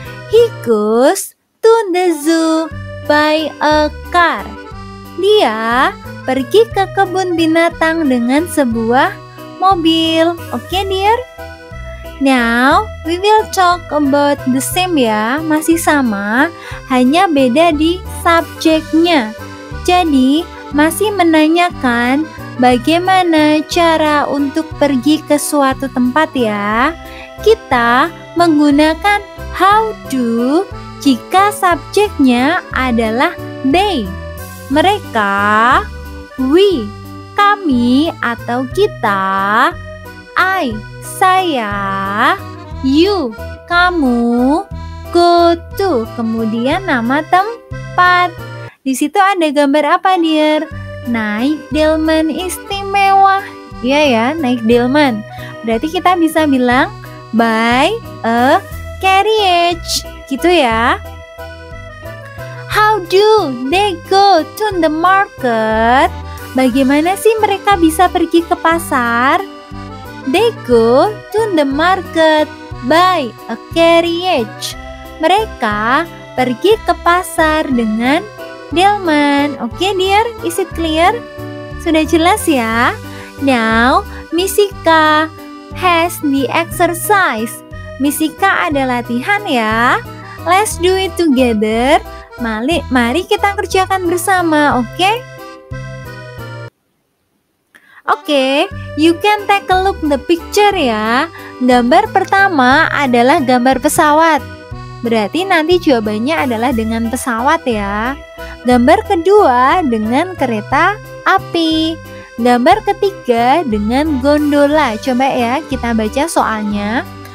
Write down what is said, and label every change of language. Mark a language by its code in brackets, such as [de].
[en] He goes to the zoo by a car. [id] Dia pergi ke kebun binatang dengan sebuah mobil. [en] Oke, dear? Now, we will talk about the same ya. [id] Masih sama, hanya beda di subjeknya. Jadi, masih menanyakan bagaimana cara untuk pergi ke suatu tempat ya. Kita menggunakan how do jika subjeknya adalah they, mereka, we, kami atau kita, I, saya, you, kamu, go to, kemudian nama tempat. Di situ ada gambar apa, dear? Naik delman istimewa. Iya ya, naik delman. Berarti kita bisa bilang [en] by a carriage. [id] Gitu ya. [en] How do they go to the market? [id] Bagaimana sih mereka bisa pergi ke pasar? [en] They go to the market by a carriage. [id] Mereka pergi ke pasar dengan delman. [en] Oke, dear, is it clear? [id] Sudah jelas ya? [en] Now, Misika has the exercise. [id] Misika ada latihan ya. [en] Let's do it together. [id] Mari kita kerjakan bersama, oke? [en] Oke, you can take a look the picture ya. [id] Gambar pertama adalah gambar pesawat. Berarti nanti jawabannya adalah dengan pesawat ya. Gambar kedua dengan kereta api. Gambar ketiga dengan gondola. Coba ya, kita baca soalnya.